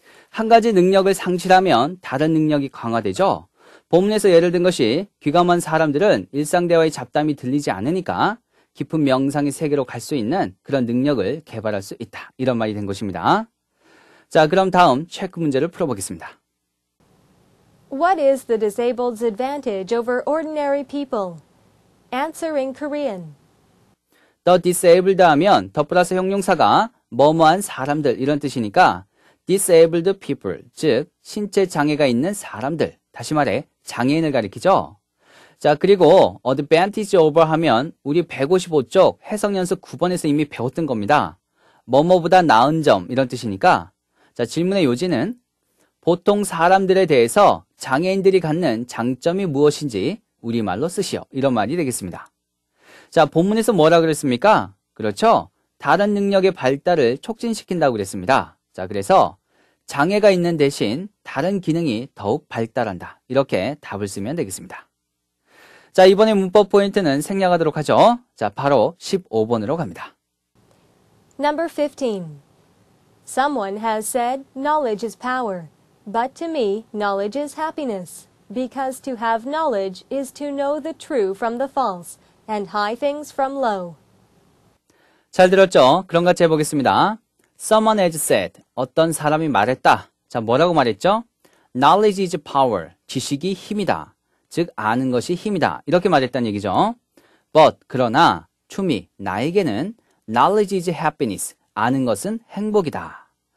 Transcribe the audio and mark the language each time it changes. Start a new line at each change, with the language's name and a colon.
Korean: 한 가지 능력을 상실하면 다른 능력이 강화되죠. 본문에서 예를 든 것이 귀가 먼 사람들은 일상대화의 잡담이 들리지 않으니까 깊은 명상의 세계로 갈 수 있는 그런 능력을 개발할 수 있다. 이런 말이 된 것입니다. 자, 그럼 다음 체크 문제를 풀어보겠습니다.
English: What is the disabled's advantage over ordinary people? Answer in Korean.
Korean: The disabled 하면 더 플러스 형용사가 뭐뭐한 사람들 이런 뜻이니까
English: Disabled people,
Korean: 즉 신체 장애가 있는 사람들, 다시 말해 장애인을 가리키죠. 자, 그리고 advantage over 하면 우리 155쪽 해석연습 9번에서 이미 배웠던 겁니다. 뭐뭐보다 나은 점, 이런 뜻이니까 자, 질문의 요지는 보통 사람들에 대해서 장애인들이 갖는 장점이 무엇인지 우리말로 쓰시오, 이런 말이 되겠습니다. 자, 본문에서 뭐라 그랬습니까? 그렇죠, 다른 능력의 발달을 촉진시킨다고 그랬습니다. 자, 그래서 장애가 있는 대신 다른 기능이 더욱 발달한다. 이렇게 답을 쓰면 되겠습니다. 자, 이번에 문법 포인트는 생략하도록 하죠. 자, 바로 15번으로 갑니다.
English: Number 15. Someone has said knowledge is power, but to me knowledge is happiness, because to have knowledge is to know the true from the false and high things from low.
Korean: 잘 들었죠? 그럼 같이 해 보겠습니다.
English: Someone has said,
Korean: 어떤 사람이 말했다. 자, 뭐라고 말했죠?
English: Knowledge is power,
Korean: 지식이 힘이다. 즉, 아는 것이 힘이다. 이렇게 말했다는 얘기죠.
English: But,
Korean: 그러나,
English: to me,
Korean: 나에게는
English: knowledge is happiness,
Korean: 아는 것은 행복이다.